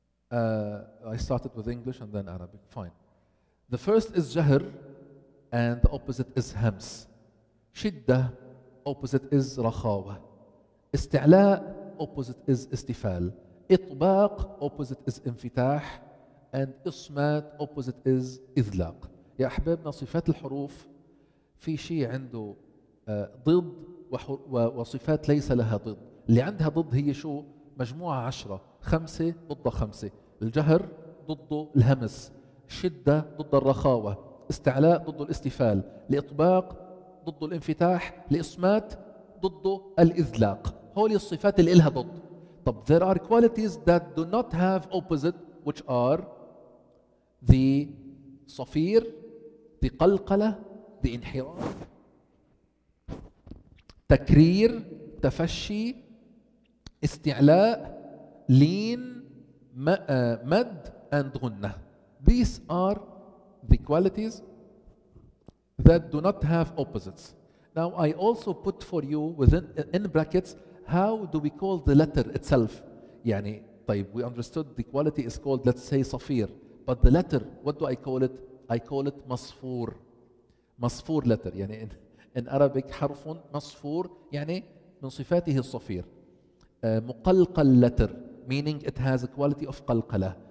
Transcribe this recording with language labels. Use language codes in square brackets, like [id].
[en] I started with English and then Arabic, fine. The first is jahr and the opposite is hams. Shiddah opposite is رخاوة. استعلاء opposite is استفال. إطباق opposite is انفتاح. And إصمات opposite is إذلاق. [ar] يا أحبابنا صفات الحروف في شيء عنده ضد وصفات ليس لها ضد. اللي عندها ضد هي شو؟ مجموعة عشرة، خمسة ضد خمسة. الجهر ضد الهمس، شدة ضد الرخاوة، استعلاء ضد الاستفال، الإطباق ضد الانفتاح، الإصمات ضد الإذلاق. هول الصفات اللي إلها ضد. [en] طب there are qualities that do not have opposite which are the صفير، the قلقلة، the انحراف، تكرير، تفشي، استعلاء، لين، مد، and غنة. These are the qualities that do not have opposites. Now I also put for you within in brackets how do we call the letter itself. يعني طيب we understood the quality is called let's say صفير, but the letter what do I call it? I call it مصفور. [ar] مصفور letter يعني [en] in Arabic [ar] حرف مصفور يعني من صفاته الصفير. [en] مقلقل letter meaning it has a quality of قلقلة.